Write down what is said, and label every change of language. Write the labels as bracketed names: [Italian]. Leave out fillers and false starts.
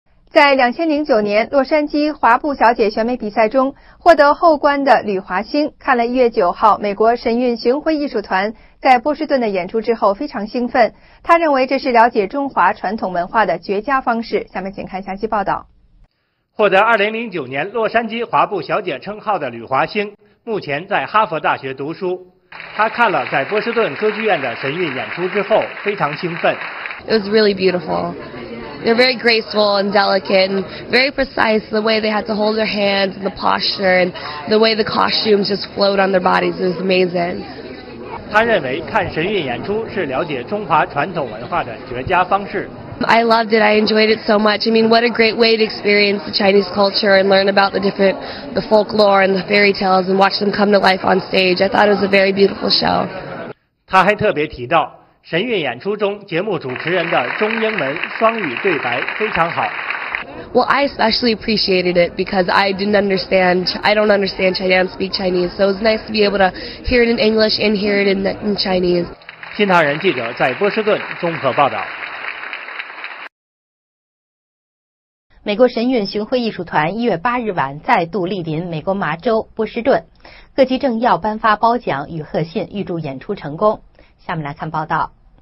[Chinese] 在2009年洛杉矶华埠小姐选美比赛中获得后冠的吕华星，看了1月9号美国神韵巡回艺术团在波士顿的演出之后非常兴奋，他认为这是了解中华传统文化的绝佳方式。下面请看详细报道。获得2009年洛杉矶华埠小姐称号的吕华星目前在哈佛大学读书，他看了在波士顿歌剧院的神韵演出之后非常兴奋。 [English] It was really beautiful. They're very graceful and delicate and very precise. The way they had to hold their hands and the posture and the way the costumes just float on their bodies is amazing. [Chinese] 他认为看神韵演出是了解中华传统文化的绝佳方式。 [English] I loved it. I enjoyed it so much. I mean, what a great way to experience the Chinese culture and learn about the folklore and the fairy tales and watch them come to life on stage. I thought it was a very beautiful show. [Chinese] 他还特别提到神韵演出中节目主持人的中英文双语对白非常好。 [English] Well, I especially appreciated it because I don't understand Chinese, I don't speak Chinese, so it was nice to be able to hear it in English and hear it in Chinese. [Chinese] 新唐人记者在波士顿综合报道。美国神韵巡回艺术团1月8日晚再度莅临美国麻州波士顿，各级政要颁发褒奖与贺信，预祝演出成功。下面来看报道。